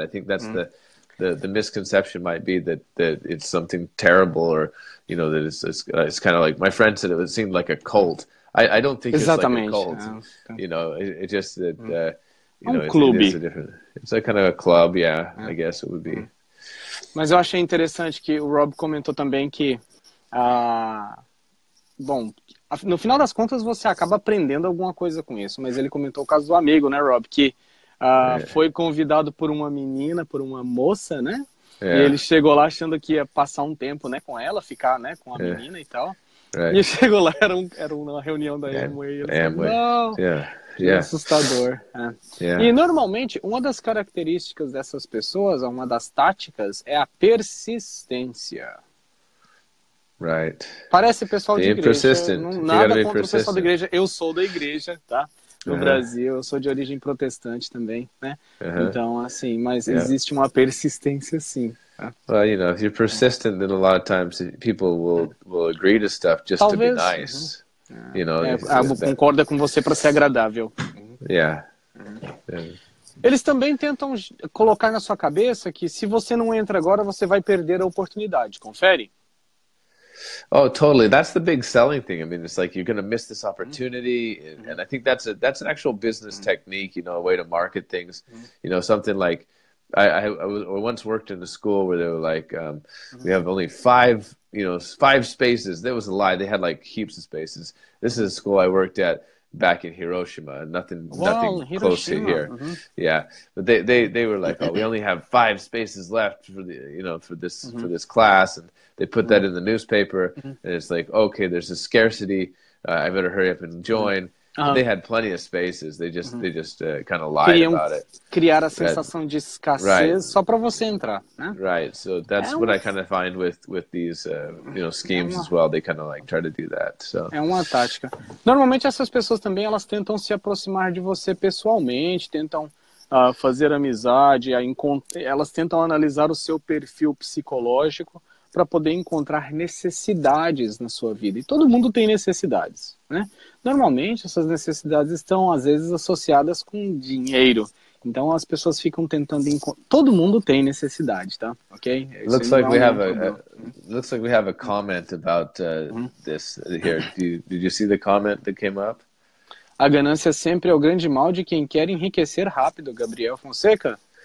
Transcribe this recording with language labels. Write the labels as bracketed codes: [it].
[en] I think that's the misconception might be that it's something terrible, or, you know, that it's kind of like my friend said, it seemed like a cult. I don't think [pt] exatamente. [en] It's like a cult, you know, it just that you know, [pt] clube. [en] It's a different, it's a kind of a club, yeah, I guess it would be. [pt] Mas eu achei interessante que o Rob comentou também que bom, no final das contas você acaba aprendendo alguma coisa com isso, mas ele comentou o caso do amigo, né, Rob, que foi convidado por uma menina, por uma moça, né? [en] Yeah. [pt] E ele chegou lá achando que ia passar um tempo, né, com ela, ficar, né, com a menina e tal. [en] Right. [pt] E chegou lá, era uma reunião da Amway. [en] Yeah. Amway. [pt] Não. [en] Yeah. Yeah. [pt] Assustador. [en] Yeah. [pt] E normalmente, uma das características dessas pessoas, uma das táticas, é a persistência. [en] Right. [pt] Parece pessoal [en] being [pt] de igreja. [en] Persistent. [pt] Nada contra [en] persistent. [pt] O pessoal da igreja. Eu sou da igreja, tá? No Brasil, eu sou de origem protestante também, né? Uh-huh. Então, assim, mas existe uma persistência, sim. [en] Well, you know, if you're persistent, then a lot of times people will agree to stuff just to be nice. Uh-huh. You know, [pt] concorda com você para ser agradável. [en] Yeah. [pt] Eles também tentam colocar na sua cabeça que se você não entra agora, você vai perder a oportunidade. Confere? [en] Oh, totally. That's the big selling thing. I mean, it's like you're going to miss this opportunity. Mm-hmm. And I think that's an actual business mm-hmm. technique, you know, a way to market things. Mm-hmm. You know, something like I once worked in a school where they were like, mm-hmm. we have only five spaces. That was a lie. They had like heaps of spaces. This is a school I worked at back in Hiroshima, nothing Hiroshima. Close to here. Mm-hmm. Yeah. But they were like, oh, we only have five spaces left for this class. And they put mm-hmm. that in the newspaper mm-hmm. and it's like, okay, there's a scarcity. I better hurry up and join. Uh-huh. And they had plenty of spaces. They just, mm-hmm. Kind of lied about it. [pt] Criar a sensação de escassez [en] right. [pt] só para você entrar, né? [en] Right. So that's what I kind of find with these, schemes as well. They kind of like try to do that. So. [pt] É uma tática. Normalmente essas pessoas também, elas tentam se aproximar de você pessoalmente, tentam fazer amizade, elas tentam analisar o seu perfil psicológico para poder encontrar necessidades na sua vida. E todo mundo tem necessidades, né? Normalmente, essas necessidades estão, às vezes, associadas com dinheiro. Então, as pessoas ficam tentando encontrar... Todo mundo tem necessidade, tá? Ok? [en] Looks like we have a comment about this here. Did you see the comment that came up? [pt] A ganância sempre é o grande mal de quem quer enriquecer rápido, Gabriel Fonseca.